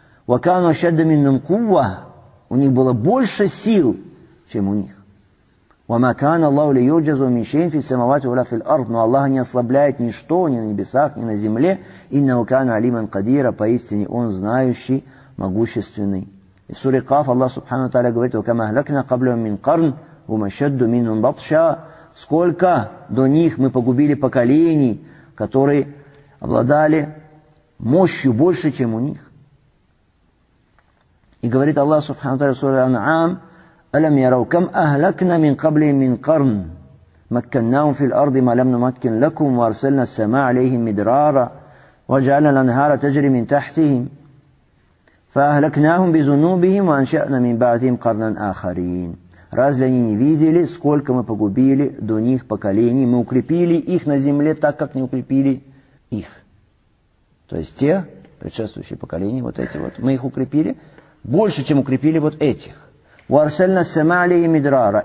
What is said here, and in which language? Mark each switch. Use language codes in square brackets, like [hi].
[ar] «Ва кану ашадда минхум кувва». [ru] У них было больше сил, чем у них. [ar] وَمَا كَانَ اللَّهُ لِيُعْجِزُ مِنْ شَيْءٍ فِي السَّمَوَاتِ وَلَا فِي الْأَرْضِ. [ru] Но Аллах не ослабляет ничто ни на небесах, ни на земле. [ar] إِنَّهُ كَانَ عَلِيمًا قَدِيرًا. [ru] Поистине Он знающий, могущественный. И в суре Каф Аллах Субхану Тааля говорит: [ar] وَكَمَ أَهْلَكْنَا قَبْلَهُمْ مِنْ قَرْنٍ هُمْ أَشَدُّ مِنْهُمْ بَطْشًا. [ru] Сколько до них мы погубили поколений, которые обладали мощью больше, чем у них. И говорит Аллах Субхану Тааля в суре Ан'ам: [ar] أَلَمْ يَرَوْا كَمْ أَهْلَكْنَا مِنْ قَبْلِهِمْ مِنْ قَرْنٍ مَكَّنَّاهُمْ فِي الْأَرْضِ مَا لَمْ نُمَكِّنْ لَكُمْ وَأَرْسَلْنَا السَّمَاءَ عَلَيْهِمْ مِدْرَارًا وَجَعَلْنَا الْأَنْهَارَ تَجْرِي مِنْ تَحْتِهِمْ فَأَهْلَكْنَاهُمْ بِذُنُوبِهِمْ وَأَنشَأْنَا مِنْ بَعْدِهِمْ قَرْنًا آخَرِينَ. [ru] Разве они не видели, сколько мы погубили до них поколений? Мы укрепили их на земле так, как не укрепили их. То есть те предшествующие поколения, вот эти вот, мы их укрепили больше, чем укрепили вот этих. [ar] وَأَرْسَلْنَا السَّمَاءَ عَلَيْهِمْ مِدْرَارًا.